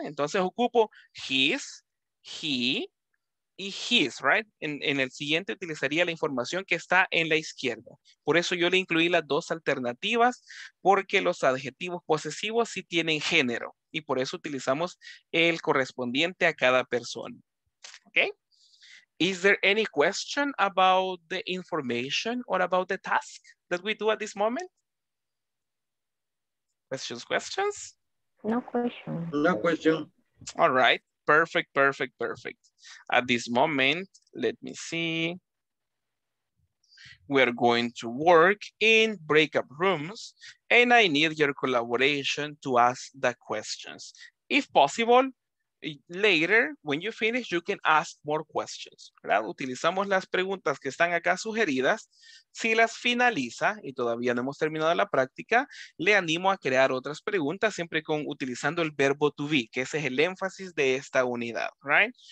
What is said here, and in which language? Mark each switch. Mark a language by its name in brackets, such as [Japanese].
[Spanish] Entonces ocupo his, he, y his, right? En el siguiente utilizaría la información que está en la izquierda. Por eso yo le incluí las dos alternativas, porque los adjetivos posesivos sí tienen género. Y por eso utilizamos el correspondiente a cada persona. Okay? [English] Is there any question about the information or about the task that we do at this moment? Questions? No question. All right. Perfect. At this moment, let me see. We are going to work in breakout rooms and I need your collaboration to ask the questions. If possible, later, when you finish, you can ask more questions. [Spanish] ¿Verdad? Utilizamos las preguntas que están acá sugeridas. Si las finaliza y todavía no hemos terminado la práctica, le animo a crear otras preguntas siempre utilizando el verbo to be, que ese es el énfasis de esta unidad, right?